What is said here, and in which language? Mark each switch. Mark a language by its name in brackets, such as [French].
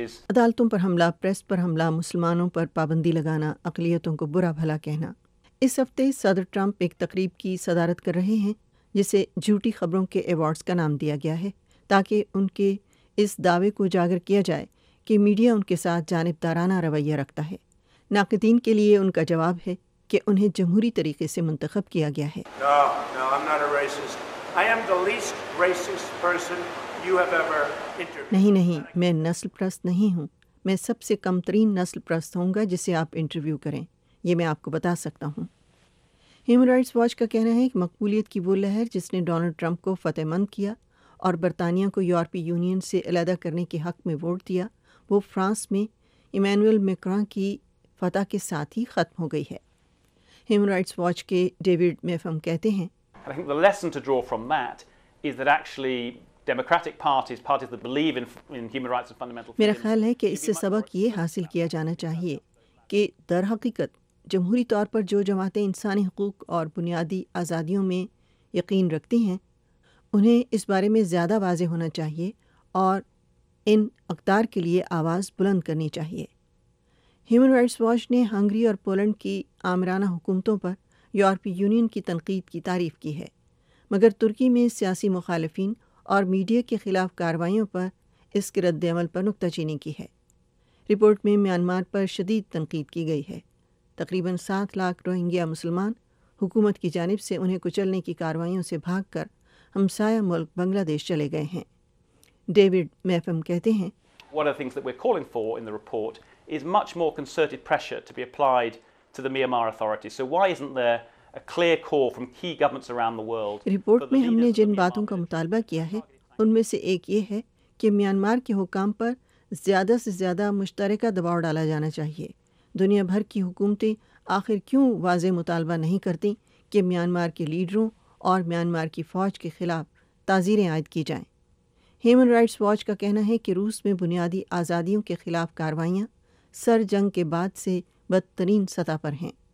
[Urdu] عدالتوں پر حملہ، پریس پر حملہ، مسلمانوں پر پابندی لگانا، اقلیتوں کو برا بھلا کہنا۔ اس ہفتے صدر ٹرمپ ایک تقریب کی صدارت کر رہے ہیں جسے جھوٹی خبروں کے ایوارڈز کا نام دیا گیا ہے، تاکہ ان کے اس دعوے کو اجاگر کیا جائے کہ میڈیا ان کے ساتھ جانبدارانہ رویہ رکھتا ہے۔ ناقدین کے لیے ان کا جواب ہے کہ انہیں جمہوری طریقے سے منتخب کیا گیا ہے۔ [English] No, I'm not a racist. I am the least racist person [Urdu] نہیں نہیں میں نسل پرست نہیں ہوں, میں سب سے کم ترین نسل پرست ہوں گا جسے آپ انٹرویو کریں, یہ میں آپ کو بتا سکتا ہوں. ہیومن رائٹس واچ کا کہنا ہے کہ مقبولیت کی وہ لہر جس نے ڈونلڈ ٹرمپ کو فتح مند کیا اور برطانیہ کو یورپی یونین سے علیحدہ کرنے کے حق میں ووٹ دیا, وہ فرانس میں ایمینوئل میکراں کی فتح کے ساتھ ہی ختم ہو گئی ہے. ہیومن رائٹس واچ کے ڈیوڈ میفم کہتے ہیں, [English] I think the lesson to draw from that is that actually democratic parties that believe in human rights and fundamental freedoms, [Urdu] میرا خیال ہے کہ اس سے سبق یہ حاصل کیا جانا چاہیے کہ در حقیقت جمہوری طور پر جو جماعتیں انسانی حقوق اور بنیادی آزادیوں میں یقین رکھتی ہیں انہیں اس بارے میں زیادہ واضح ہونا چاہیے اور ان اقدار کے لیے آواز بلند کرنی چاہیے. ہیومن رائٹس واچ نے ہنگری اور پولینڈ کی آمرانہ حکومتوں پر یورپی یونین کی تنقید کی تعریف کی ہے, مگر ترکی میں سیاسی مخالفین اور میڈیا کے خلاف کاروائیوں پر اس کے رد عمل پر نکتہ چینی کی ہے. رپورٹ میں میانمار پر شدید تنقید کی گئی ہے, تقریباً 7 لاکھ روہنگیا مسلمان حکومت کی جانب سے انہیں کچلنے کی کاروائیوں سے بھاگ کر ہمسایہ ملک بنگلہ دیش چلے گئے ہیں. ڈیوڈ میفم کہتے ہیں, [English] One of the things that we're calling for in the report is much more concerted pressure to be applied to the Myanmar authorities. So why isn't there a clear call from key governments around the world? [Urdu] Report میں ہم نے جن باتوں کا مطالبہ کیا ہے ان میں سے ایک یہ ہے کہ میانمار کے حکام پر زیادہ سے زیادہ مشترکہ دباؤ ڈالا جانا چاہیے. دنیا بھر کی حکومتیں آخر کیوں واضح مطالبہ نہیں کرتی کہ میانمار کے لیڈروں اور میانمار کی فوج کے خلاف تعزیریں عائد کی جائیں؟ ہیومن رائٹس واچ کا کہنا ہے کہ روس میں بنیادی آزادیوں کے خلاف کاروائیاں سر جنگ کے بعد سے بدترین سطح پر ہیں.